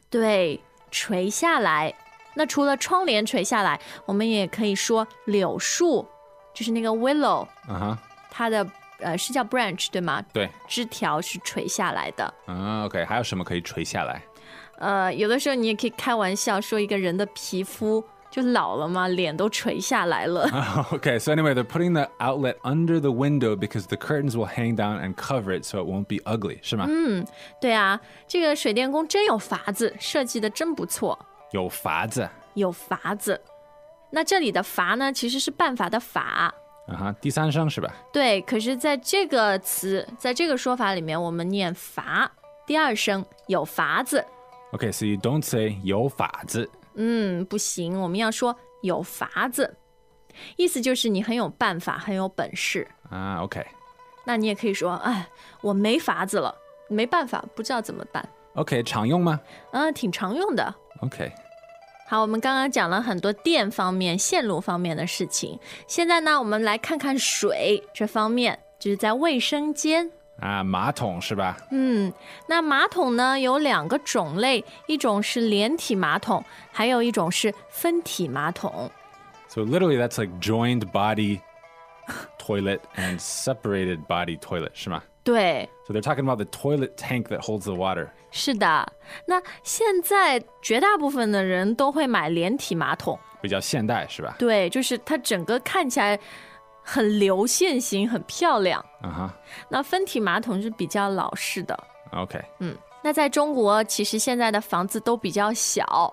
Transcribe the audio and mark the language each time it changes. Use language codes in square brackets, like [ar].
[zh] 对，垂下来。那除了窗帘垂下来，我们也可以说柳树，就是那个 willow、 uh-huh. 它的是叫 branch 对吗？对，枝条是垂下来的、 OK， 还有什么可以垂下来？有的时候你也可以开玩笑说一个人的皮肤就老了吗，脸都垂下来了。 [en] OK， so anyway， they're putting the outlet under the window because the curtains will hang down and cover it so it won't be ugly， [zh] 是吗？嗯，对啊，这个水电工真有法子，设计的真不错。有法子，有法子。那这里的法呢，其实是办法的法、 uh-huh, 第三声是吧？对，可是在这个词，在这个说法里面，我们念法，第二声，有法子。 [en] OK， so you don't say [zh] 有法子。嗯，不行，我们要说有法子，意思就是你很有办法，很有本事啊。OK，那你也可以说，哎，我没法子了，没办法，不知道怎么办。 OK， 常用吗？嗯，挺常用的。 [en] OK， [zh] 好，我们刚刚讲了很多电方面、线路方面的事情，现在呢，我们来看看水这方面，就是在卫生间啊，马桶是吧？嗯，那马桶呢有两个种类，一种是连体马桶，还有一种是分体马桶。 [en] So literally that's like joined body toilet and separated body toilet, [zh] 是吗？对。 [en] So they're talking about the toilet tank that holds the water. [zh] 是的，那现在绝大部分的人都会买连体马桶。比较现代是吧？对，就是它整个看起来很流线型，很漂亮、 uh-huh. 那分体马桶是比较老式的。 [en] OK、 [zh] 那在中国其实现在的房子都比较小、